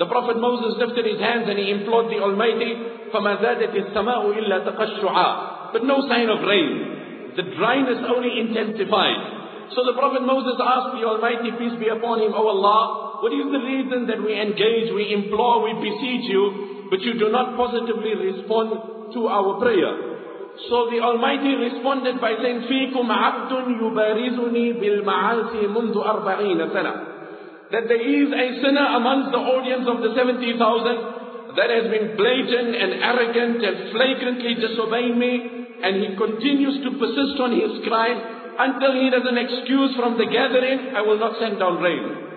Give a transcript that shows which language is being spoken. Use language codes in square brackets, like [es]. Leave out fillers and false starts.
[en] The Prophet Moses lifted his hands and he implored the Almighty, [ar] فَمَا زَادَتِ السَّمَاءُ إِلَّا تَقَشُّعًا. [en] But no sign of rain. The dryness only intensified. So the Prophet Moses asked the Almighty, peace be upon him, O Allah, what is the reason that we engage, we implore, we beseech you, but you do not positively respond to our prayer? So the Almighty responded by saying, [ar] فِيكُمْ عَبْدٌ يُبَارِزُنِي بِالْمَعَاصِي مُنْذُ أَرْبَعِينَ سَنَةً. [en] That there is a sinner amongst the audience of the 70,000 that has been blatant and arrogant and flagrantly disobeying me, and he continues to persist on his crime until he has an excuse from the gathering, I will not send down rain.